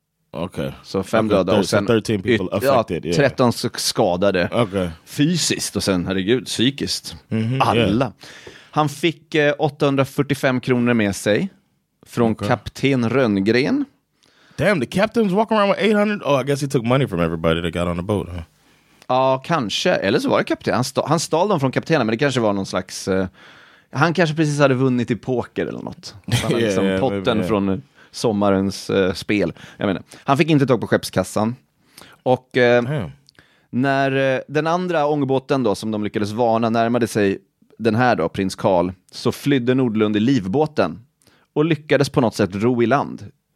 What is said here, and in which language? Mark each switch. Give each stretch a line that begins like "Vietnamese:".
Swedish: Okay. Så 5 döda och sen
English: 13 people affected.
Swedish: Ja, 13 skadade. Okay. Fysiskt och sen herregud psykiskt. Mm-hmm, alla. Yeah. Han fick 845 kronor med sig från kapten Rönngren.
English: Damn, the captain's walking around with 800. Oh, I guess he took money from everybody that got on the boat.
Swedish: Ja, kanske, eller så var det kapten. Han stal dem från kaptenen, men det kanske var någon slags han kanske precis hade vunnit i poker eller något. Potten från sommarens spel. Jag menar. Han fick inte tag på skeppskassan. Och när den andra ångbåten då, som de lyckades varna, närmade sig den här då, Prins Karl, så flydde Nordlund i livbåten och lyckades på något sätt ro i land.